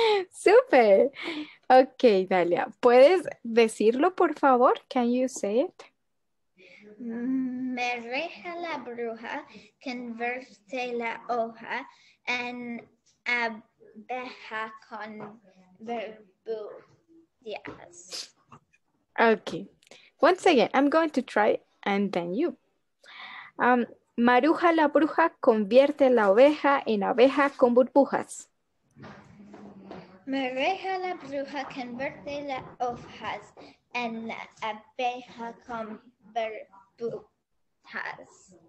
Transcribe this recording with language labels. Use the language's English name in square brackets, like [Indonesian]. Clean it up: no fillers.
[Spanish] Super. Okay, Dalia, ¿puedes decirlo, por favor? [English] Can you say it? [Spanish] Maruja la bruja convierte la hoja en abeja con burbujas. Okay. [English] Once again, I'm going to try and then you. [Spanish] Maruja la bruja convierte la oveja en abeja con burbujas. Maruja la bruja convierte la hojas en la abeja con burbujas.